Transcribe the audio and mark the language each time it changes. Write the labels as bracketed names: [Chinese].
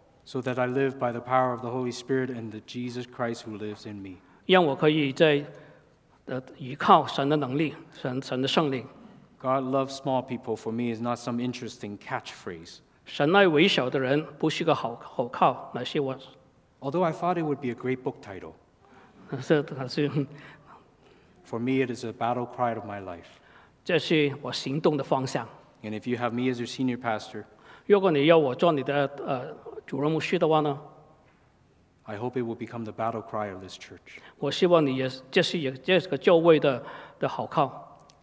[English] So that I live by the power of the Holy Spirit and the Jesus Christ who lives in me. [Chinese] 让我可以依靠神的能力，神的圣灵。 [English] God loves small people for me is not some interesting catchphrase. [Chinese] 神爱微小的人不是个好口号，乃是我。 [English] Although I thought it would be a great book title. [Chinese] 是。 [English] For me, it is a battle cry of my life. [Chinese] 这是我行动的方向。 [English] And if you have me as your senior pastor, [Chinese] 如果你要我做你的, 主任牧师的话呢, [English] I hope it will become the battle cry of this church. [Chinese] 我希望你也这是这个教会的好靠。